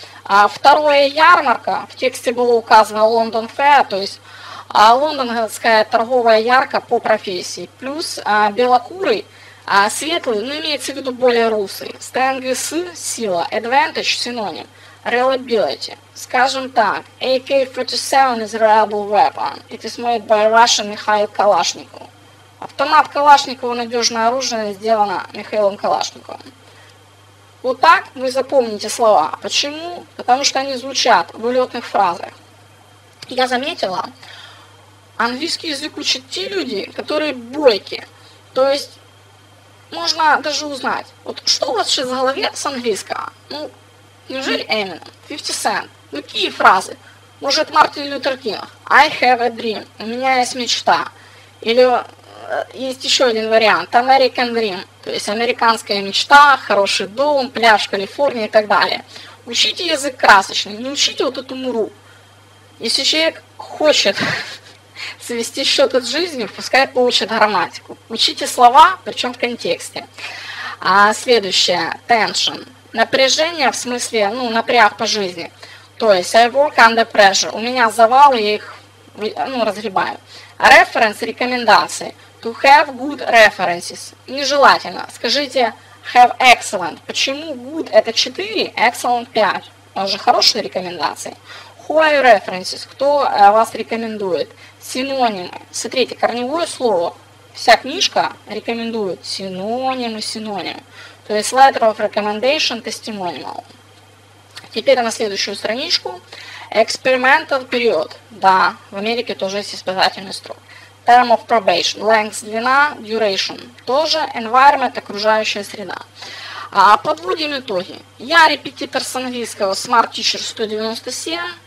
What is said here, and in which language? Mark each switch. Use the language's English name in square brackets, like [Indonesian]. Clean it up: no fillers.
[Russian] А второе — ярмарка. В тексте было указано London Fair, то есть лондонская торговая ярмарка по профессии. Плюс белокурый, светлый, но имеется в виду более русый. Strength — сила. Advantage — синоним. Reliability. Скажем так, [English] AK-47 is a reliable weapon. It is made by Russian Mikhail Kalashnikov. [Russian] Автомат Калашникова — надежное оружие, сделано Михаилом Калашниковым. Вот так вы запомните слова. Почему? Потому что они звучат в улетных фразах. Я заметила, английский язык учат те люди, которые бойки. То есть можно даже узнать, вот что у вас сейчас в голове с английского? Ну, неужели Eminem, 50 Cent? Ну, какие фразы? Может, Мартин Лютер Кинг? [English] I have a dream. [Russian] У меня есть мечта. Или есть еще один вариант. [English] American Dream. [Russian] То есть американская мечта, хороший дом, пляж в Калифорнии и так далее. Учите язык красочный. Не учите вот эту муру. Если человек хочет свести счет с жизнью, пускай получит грамматику. Учите слова, причем в контексте. А следующее. Tension. Напряжение в смысле, ну, напряг по жизни. То есть [English] I work under pressure. [Russian] У меня завал, я их, ну, разгребаю. Reference — рекомендации. [English] To have good references. [Russian] Нежелательно. [English] Скажите have excellent. [Russian] Почему good — это 4, excellent 5? Уже хорошие рекомендации. [English] Who are your references? [Russian] Кто вас рекомендует? Синонимы. Смотрите, корневое слово. Вся книжка рекомендует синонимы, синонимы. [English] То есть letter of recommendation, testimonial. [Russian] Теперь на следующую страничку. [English] Experimental period. [Russian] Да, в Америке тоже есть испытательный срок. [English] Term of probation. [Russian] Length — длина, duration — тоже environment, окружающая среда. А подводим итоги. Я репетитор с английского Smart Teacher 197.